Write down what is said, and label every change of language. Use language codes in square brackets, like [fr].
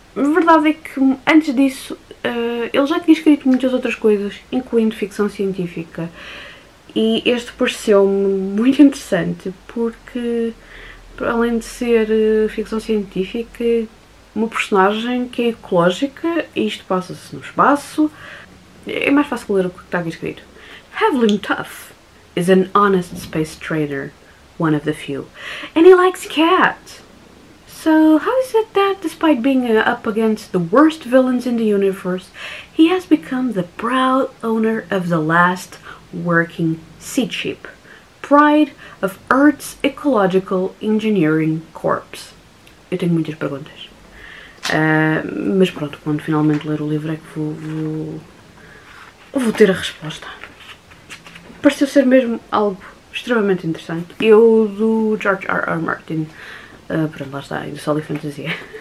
[pt] A verdade é que antes disso, ele já tinha escrito muitas outras coisas, incluindo ficção científica. E este pareceu-me muito interessante porque, para além de ser ficção científica, uma personagem que é ecológica, e isto passa-se no espaço, é mais fácil ler o que está aqui escrito. [en] Havilland Tuff is an honest space trader, one of the few, and he likes cats. So, how is it that despite being up against the worst villains in the universe, he has become the proud owner of the last working sea ship, pride of Earth's Ecological Engineering Corps? [pt] Eu tenho muitas perguntas. Mas pronto, quando finalmente ler o livro é que vou ter a resposta. Pareceu ser mesmo algo extremamente interessante. Eu, do George R. R. Martin. Pronto, lá está, ainda só li fantasia.